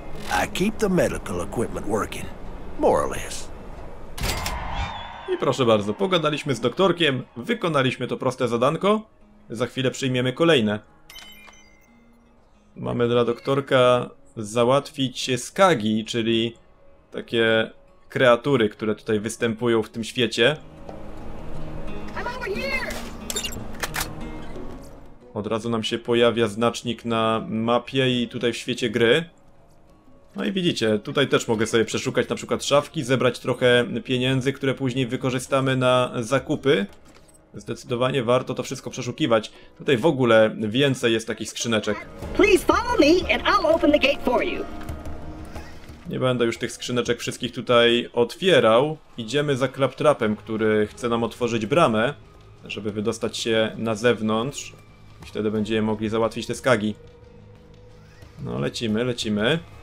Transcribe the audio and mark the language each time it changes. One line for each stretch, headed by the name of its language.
English: I keep the medical equipment working, more or less.
Polish: I proszę bardzo, pogadaliśmy z doktorkiem, wykonaliśmy to proste zadanko. Za chwilę przyjmiemy kolejne. Mamy dla doktorka załatwić skagi, czyli takie kreatury, które tutaj występują w tym świecie. Od razu nam się pojawia znacznik na mapie i tutaj w świecie gry. No i widzicie, tutaj też mogę sobie przeszukać na przykład szafki, zebrać trochę pieniędzy, które później wykorzystamy na zakupy. Zdecydowanie warto to wszystko przeszukiwać. Tutaj w ogóle więcej jest takich skrzyneczek.
English: Please follow me and I'll open the gate for you.
Polish: Nie będę już tych skrzyneczek wszystkich tutaj otwierał. Idziemy za Claptrapem, który chce nam otworzyć bramę, żeby wydostać się na zewnątrz. I wtedy będziemy mogli załatwić te skagi. No, lecimy, lecimy.